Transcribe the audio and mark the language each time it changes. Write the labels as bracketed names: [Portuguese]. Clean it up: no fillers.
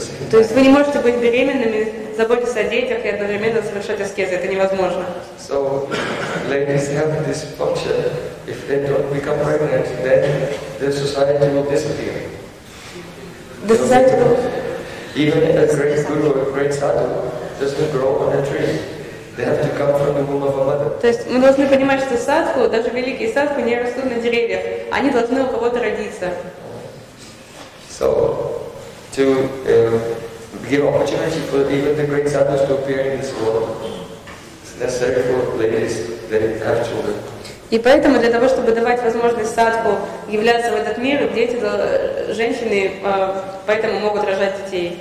[Russian] То есть вы не можете быть беременными, заботиться о детях и одновременно совершать аскезы. Это невозможно. [English] So, ladies have this function. If they don't become pregnant, then the society will disappear. The society will... Even a great guru, a great sadhu, doesn't grow on a tree. They have to come from the womb of a mother. [Russian] То есть мы должны понимать, что садху, даже великие садху, не растут на деревьях. Они должны у кого-то родиться. [English] So, to give opportunity for even the great sadhus to appear in this world, it's necessary for ladies that have children. [Russian] И поэтому для того, чтобы давать возможность садху являться в этот мир, дети, женщины, поэтому могут рожать детей.